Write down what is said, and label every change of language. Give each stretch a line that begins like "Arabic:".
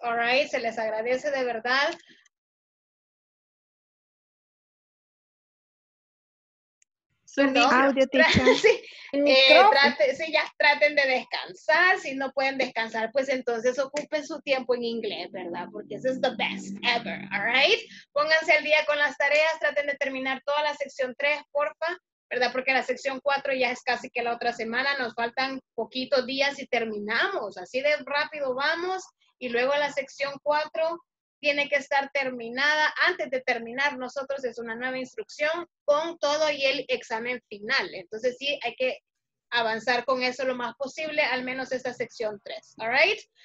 Spanish: All right, se les agradece de verdad. Audio traten de descansar. Si no pueden descansar, pues entonces ocupen su tiempo en inglés, ¿verdad? Porque
English: this is the best ever, all right?
Spanish: Pónganse al día con las tareas, traten de terminar toda la sección 3, porfa. ¿Verdad? Porque la sección 4 ya es casi que la otra semana, nos faltan poquitos días y terminamos, así de rápido vamos, y luego la sección 4 tiene que estar terminada, antes de terminar nosotros es una nueva instrucción, con todo y el examen final, entonces sí, hay que avanzar con eso lo más posible, al menos esta sección 3,
English: ¿all right?